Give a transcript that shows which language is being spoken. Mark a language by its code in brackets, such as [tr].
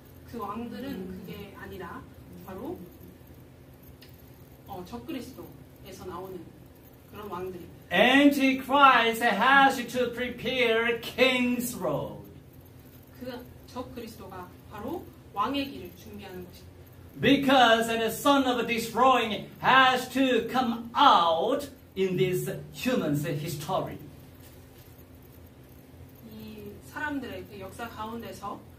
[ko] 그 왕들은 그게 아니라 바로 적그리스도에서 나오는 그런 왕들입니다. [en] Antichrist has to prepare King's Road. [ko] 그 적그리스도가 바로 왕의 길을 준비하는 것입니다. [en] Because the son of destroying has to come out in this human's history. [ko] 이 사람들의 그 역사 가운데서